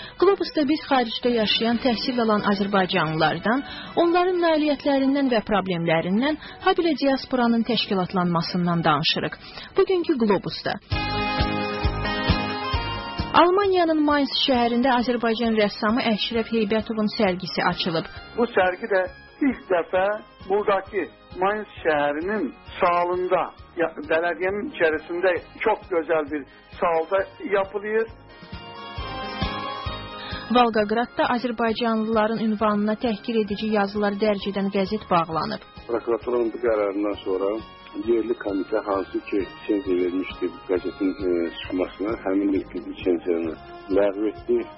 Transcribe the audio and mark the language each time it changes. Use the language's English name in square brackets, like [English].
[Azerbaijani] Globusda biz xaricdə yaşayan təhsil alan azərbaycanlılardan, onların nailiyyətlərindən və problemlərindən, habelə diasporanın təşkilatlanmasından danışırıq. Bugünkü Globusda. Almaniyanın Mainz şəhərində Azərbaycan rəssamı Əşrəf Heybətovun sərgisi açılıb. Bu sərgi də ilk dəfə buradakı Mainz şəhərinin sağlığında [Turkish] belediyenin içerisinde çok güzel bir sahada yapılıyor. [Azerbaijani] Volgoqradda Azərbaycanlıların ünvanına təhqir edici yazılar dərc edən qəzet bağlanıb. Prokuraturanın bu qərarından sonra yerli komitə hansı ki lisenziya vermişdi qəzetin çıxmasına, həmin lisenziyanı ləğv etdi.